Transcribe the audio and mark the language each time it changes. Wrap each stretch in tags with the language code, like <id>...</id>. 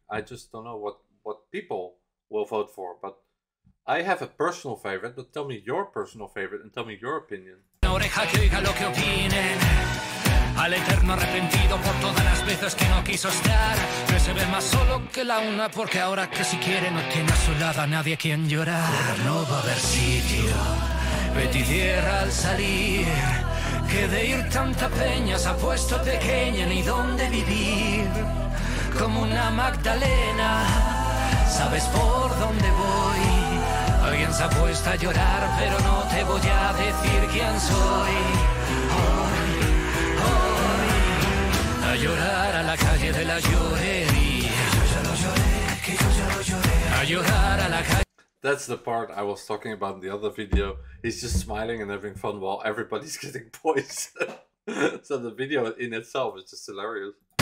<en>I just don't know what people will vote for. But I have a personal favorite. But tell me your personal favorite and tell me your opinion.</en> <es>Oreja que oiga lo que opinen. Al eterno arrepentido por todas las veces que no quiso estar. No se ve más solo que la una porque ahora que si quiere no tiene a su lado a nadie quien llorar. No va a haber sitio. Vete y cierra al salir. Que de ir tanta peña se ha puesto pequeña, ni dónde vivir. Como una magdalena, sabes por dónde voy. Alguien se ha puesto a llorar, pero no te voy a decir quién soy. Hoy, a llorar a la calle de la llorería. Que yo ya lo lloré, que yo ya lo lloré. A llorar a la calle.</es> <en>That's the part I was talking about in the other video. He's just smiling and having fun while everybody's getting poisoned. So the video in itself is just hilarious.</en>